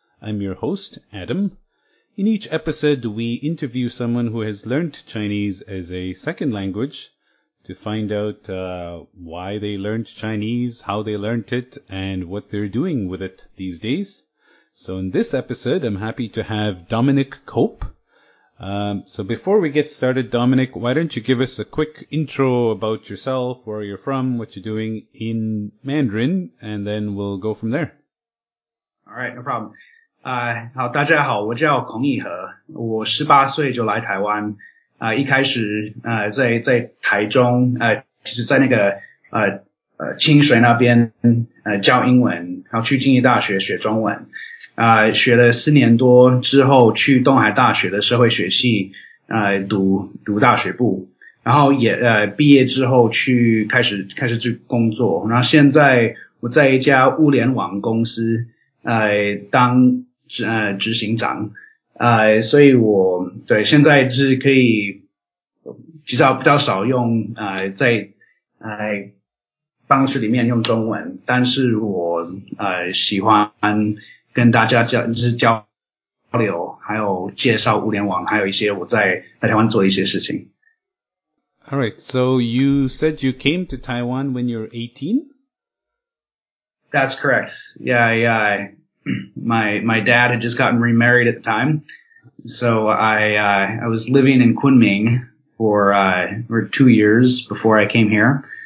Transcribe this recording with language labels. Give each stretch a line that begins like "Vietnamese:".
English: I'm your host, Adam. In each episode, we interview someone who has learned Chinese as a second language to find out why they learned Chinese, how they learned it, and what they're doing with it these days. So in this episode, I'm happy to have Dominic Cope. So before we get started, Dominic, why don't you give us a quick intro about yourself, where you're from, what you're doing in Mandarin, and then we'll go from there. Alright, no problem.
Chinese: 好，大家好，我叫孔以和，我18岁就来台湾，一开始在台中，其实在那个清水那边教英文，然后去经济大学学中文。学了四年多之后去东海大学的社会学系读大学部，然后也毕业之后去开始去工作，然后现在我在一家物联网公司当执行长，所以我对现在是可以至少比较少用在办公室里面用中文，但是我喜欢跟大家交流，还有介绍物联网，还有一些我在台湾做一些事情。
English: All right, so you said you came to Taiwan when you're 18? That's correct. Yeah. My dad had just gotten remarried at the time, so I was living in Kunming for 2 years before I came here.